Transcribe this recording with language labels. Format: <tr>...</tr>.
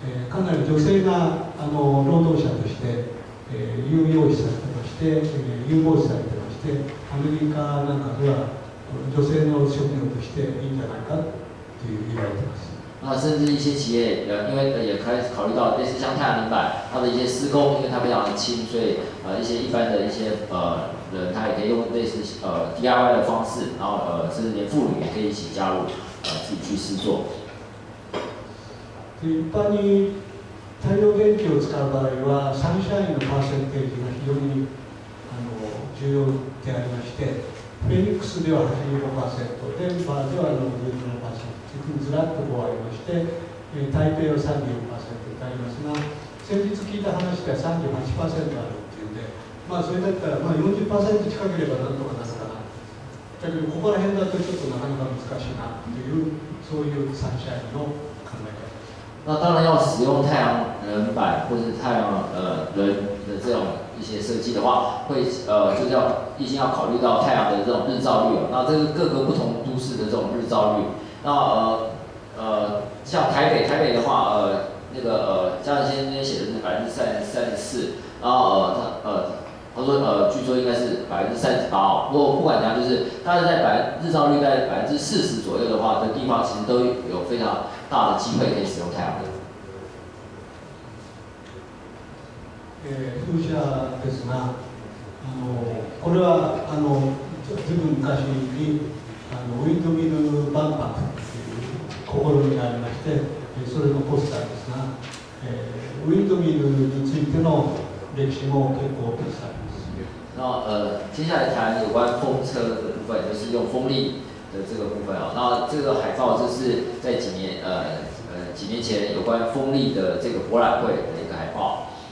<ja>かなり女性が労働者として有用視されてまして、有望視されてまして、アメリカなんかでは女性の職業としていいんじゃないかと言われてます。</ja> <zh>那甚至一些企业，因为也开始考虑到类似像太阳能板，它的一些施工，因为它非常的轻，所以一些一般的一些人，他也可以用类似DIY 的方式，然后甚至连妇女也可以一起加入自己去试做。</zh> <ja>一般に太陽電池を使う場合はサンシャインのパーセンテージが非常に重要でありまして、フェニックスでは 85%、 デンバーでは 67% というふうにずらっとありまして、台北は 34% とありますが、先日聞いた話では 38% あるというので、まあそれだったら、まあ 40% 近ければなんとかなるかな。だけどここら辺だとちょっとなかなか難しいなという、そういうサンシャインの考え方。</ja> <zh>那当然要使用太阳能板或者太阳能的这种一些设计的话，会就叫一定要考虑到太阳的这种日照率，那这个各个不同都市的这种日照率，那像台北的话，那个江先生写的是34%，然后他说据说应该是38%哦，不过不管怎样，就是大概在日照率在40%左右的话的地方，其实都有非常大的机会可以使用太阳能。</zh> <ja>風車ですが、これはずいぶん昔にウィンドミル万博という試みがありまして、それのポスターですが、ウィンドミルについての歴史も結構たくさんあります。</ja> <zh>那接下来谈有关风车的部分，就是用风力的这个部分，那这个海报就是在几年前有关风力的这个博览会的一个海报。</zh>